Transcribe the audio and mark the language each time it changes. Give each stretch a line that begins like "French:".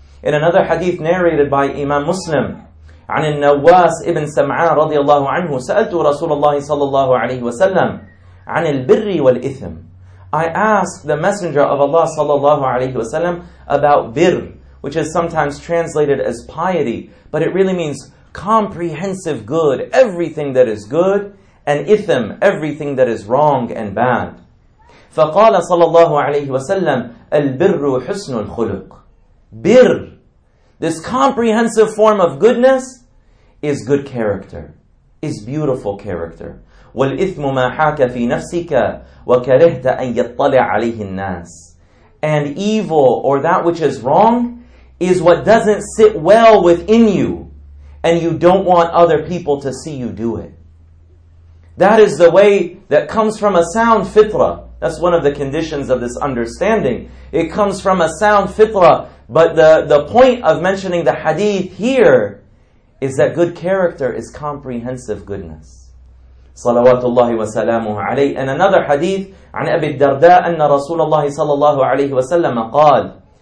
English: In another hadith narrated by Imam Muslim,
Arabic: عن النواس ابن سمعان رضي الله عنه سألت رسول الله صلى الله عليه وسلم عن البر والإثم.
English: I asked the Messenger of Allah
Arabic: صلى الله عليه وسلم
English: about بر, which is sometimes translated as piety, but it really means comprehensive good, everything that is good, and إثم, everything that is wrong and bad.
Arabic: فقال صلى الله عليه وسلم البر حسن الخلق.
English: بر, this comprehensive form of goodness, is good character, is beautiful character.
Arabic: وَالْإِثْمُ مَا حَاكَ فِي نَفْسِكَ وَكَرِهْتَ أَن يَطَّلِعَ عَلَيْهِ النَّاسِ.
English: And evil, or that which is wrong, is what doesn't sit well within you, and you don't want other people to see you do it. That is the way that comes from a sound fitrah. That's one of the conditions of this understanding. It comes from a sound fitrah. But the point of mentioning the hadith here is that good character is comprehensive goodness.
Arabic: Salawatullahi wa salamuhu alayhi.
English: And another hadith,
Arabic: عن أبي الدرداء أن رسول الله صلى الله عليه وسلم قال.